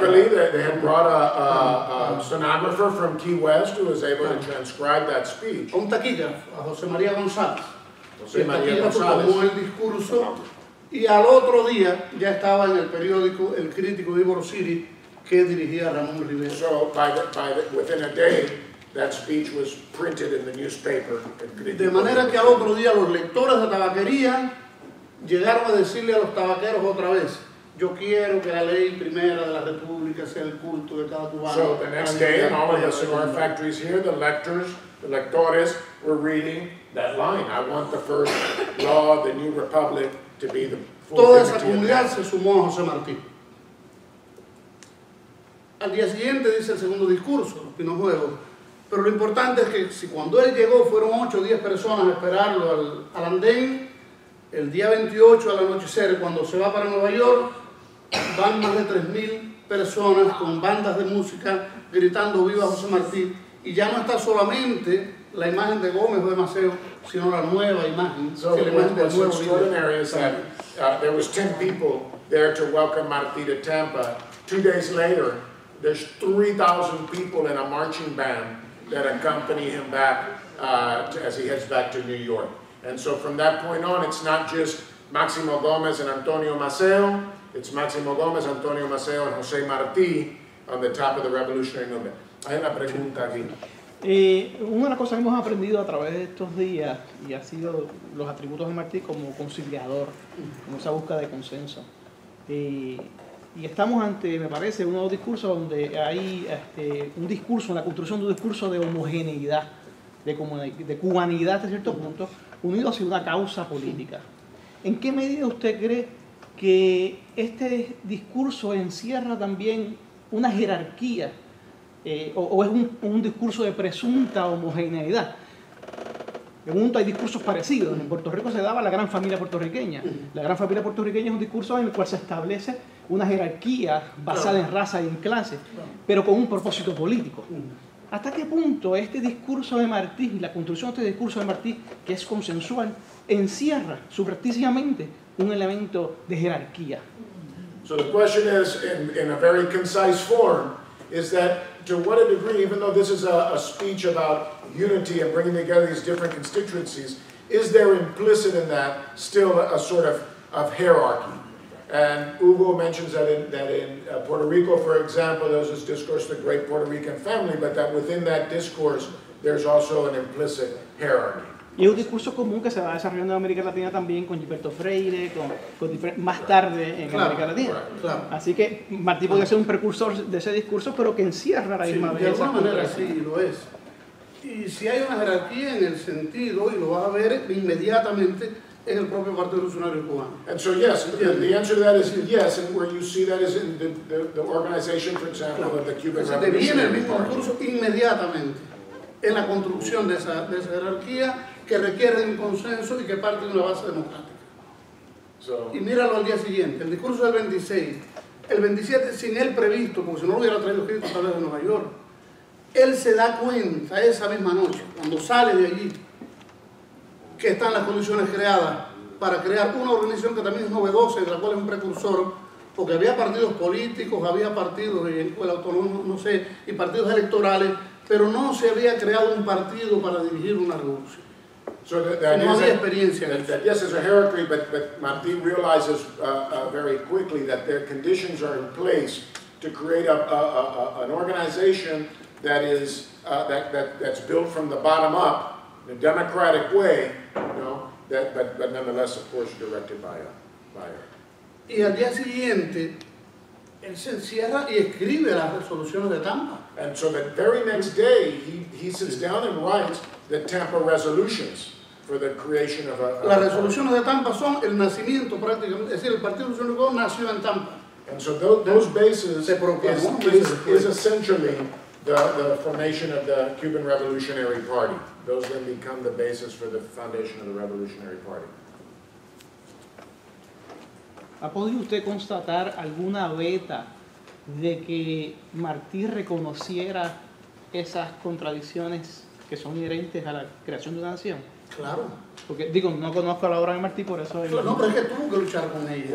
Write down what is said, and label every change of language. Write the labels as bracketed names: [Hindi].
[English] Luckily, they had brought a stenographer from Key West who was able to transcribe that speech. [Spanish] A un taquígrafo, a José María González. José María González tomó el discurso y al otro día ya estaba en el periódico El Crítico de Ivor City, que dirigía Ramón Rivera. [English] So, within a day, that speech was printed in the newspaper. [Spanish] De manera que al otro día los lectores de Tabaquería llegaron a decirle a los tabaqueros otra vez, yo quiero que la ley primera de la República sea el culto de cada cubano. [English] So the next day, in all of the cigar factories here, the lectores were reading that line. I want the first law of the new republic to be the full [Spanish] Toda esa comunidad se sumó a José Martí. Al día siguiente dice el segundo discurso, los Pinos Juegos. Pero lo importante es que si cuando él llegó fueron 8 o 10 personas a esperarlo al andén, el día 28 al anochecer, cuando se va para Nueva York, van más de 3.000 personas con bandas de música gritando viva José Martí. Y ya no está solamente la imagen de Gómez o de Maceo, sino la nueva imagen. [English] So [Spanish] que [English] what's extraordinary is that there was 10 people there to welcome Martí to Tampa. 2 days later, there's 3,000 people in a marching band that accompany him back as he heads back to New York. And so from that point on, it's not just Máximo Gómez and Antonio Maceo, it's Máximo Gómez, Antonio Maceo, and José Martí on the top of the revolutionary movement. [Spanish] Hay una pregunta aquí. Una de las cosas que hemos aprendido a través de estos días y ha sido los atributos de Martí como conciliador, como esa búsqueda de consenso. Y estamos ante, me parece, un nuevo discurso donde hay un discurso, la construcción de un discurso de homogeneidad, de cubanidad hasta cierto punto, unido hacia una causa política. ¿En qué medida usted cree que este discurso encierra también una jerarquía o es un discurso de presunta homogeneidad? En un mundo hay discursos parecidos. En Puerto Rico se daba la gran familia puertorriqueña. La gran familia puertorriqueña es un discurso en el cual se establece una jerarquía basada en raza y en clase, pero con un propósito político. ¿Hasta qué punto este discurso de Martí, la construcción de este discurso de Martí, que es consensual, encierra subrepticiamente un elemento de jerarquía? [English] So the question is, in a very concise form, is that to what a degree, even though this is a speech about unity and bringing together these different constituencies, is there implicit in that still a sort of hierarchy? And Hugo mentions that in Puerto Rico, for example, there's this discourse of the great Puerto Rican family, but that within that discourse, there's also an implicit hierarchy. [Spanish] Y un discurso común que se va desarrollando en América Latina también con Gilberto Freire, más tarde en claro, América Latina. Claro. Así que Martí podría ser un precursor de ese discurso, pero que encierra la misma vez. De alguna manera sí lo es. Y si hay una jerarquía en el sentido, y lo vas a ver inmediatamente, es el propio Partido Revolucionario Cubano. [English] And so yes, the answer to that is yes, and where you see that is in the organization, for example, of the Cuban Revolution. [Spanish] Viene el mismo discurso inmediatamente en la construcción de esa jerarquía que requiere un consenso y que parte de una base democrática. [English] So, [Spanish] y míralo al día siguiente, el discurso del 26, el 27 sin él previsto, porque si no lo hubiera traído escrito tal vez de Nueva York, él se da cuenta esa misma noche, cuando sale de allí, que están las condiciones creadas para crear una organización que también es novedosa y de la cual es un precursor, porque había partidos políticos, había partidos en el autónomo, no sé, y partidos electorales, pero no se había creado un partido para dirigir una revolución. [English] So that [Spanish] no había experiencia. [English] Yes, it's a hierarchy, but Martí realizes very quickly that their conditions are in place to create an organization that is that's built from the bottom up in a democratic way, you know, but nonetheless, of course, directed by her. [Spanish] Y al día siguiente, él se encierra y escribe las resoluciones de Tampa. [English] And so the very next day, he sits down and writes the Tampa resolutions for the creation of a [Spanish] las resoluciones de Tampa son el nacimiento prácticamente, es decir, el Partido Revolucionario nació en Tampa. [English] And so those bases is essentially the formation of the Cuban Revolutionary Party. Those then become the basis for the foundation of the Revolutionary Party. [Spanish] ¿Ha podido usted constatar alguna veta de que Martí reconociera esas contradicciones que son inherentes a la creación de una nación? Claro. Porque, digo, no conozco la obra de Martí, por eso... Claro, no, pero es que tuvo que luchar con ella.